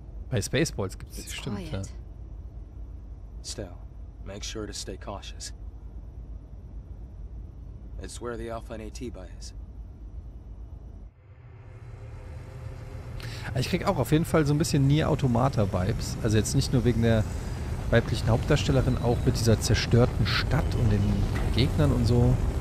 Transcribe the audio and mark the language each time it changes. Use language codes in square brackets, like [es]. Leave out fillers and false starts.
[de] Bei Spaceballs gibt es die Stimme. Ja. [en] Still, make sure to stay cautious. It's where the Alpha and Atiba is. [de] Ich krieg auch auf jeden Fall so ein bisschen Nier Automata-Vibes. Also jetzt nicht nur wegen der weiblichen Hauptdarstellerin, auch mit dieser zerstörten Stadt und den Gegnern und so.